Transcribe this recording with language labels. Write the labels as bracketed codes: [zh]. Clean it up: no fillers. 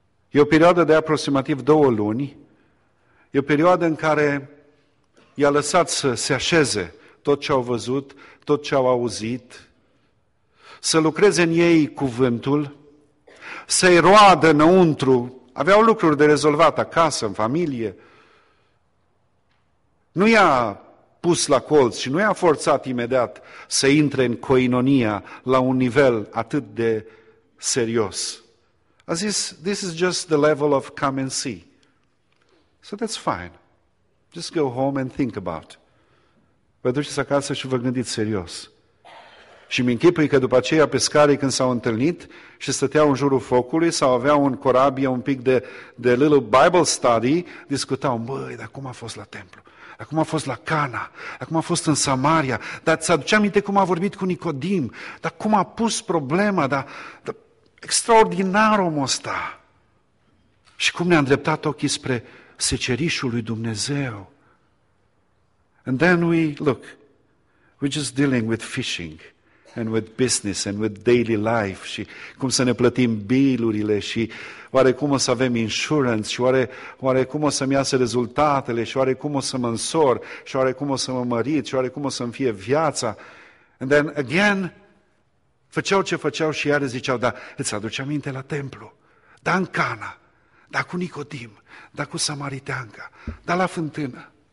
[ro] E o perioadă de aproximativ 2 luni, e o perioadă în care i-a lăsat să se așeze tot ce au văzut, tot ce au auzit, să lucreze în ei cuvântul, să-i roadă înăuntru, aveau lucruri de rezolvat acasă, în familie. Nu i-a pus la colț și nu i-a forțat imediat să intre în coinonia la un nivel atât de serios. A zis, [en] this is just the level of come and see. So that's fine. Just go home and think about. [ro] Vă duceți acasă și vă gândiți serios. Și mi-închipui că după aceea pescarii când s-au întâlnit și stăteau în jurul focului sau aveau în corabie un pic de [en] little Bible study, [ro] discutau, măi, dar cum a fost la templu? Acum a fost la Cana, acum a fost în Samaria, dar ți-aduce aminte cum a vorbit cu Nicodim, dar cum a pus problema, dar extraordinar omul ăsta. Și cum ne-a îndreptat ochii spre secerișul lui Dumnezeu. [en] And then we, look, we're just dealing with fishing. and with business and with daily life [ro] și cum să ne plătim bilurile și oare cum o să avem insurance și oare cum o să-mi iasă rezultatele și oare cum o să mă însor și oare cum o să mă mărit și oare cum o să-mi fie viața. [en] And then again, [ro] făceau ce făceau și iară ziceau, dar îți aduce aminte la templu, dar în Cana, dar cu Nicodim, dar cu Samariteanca, dar la fântână.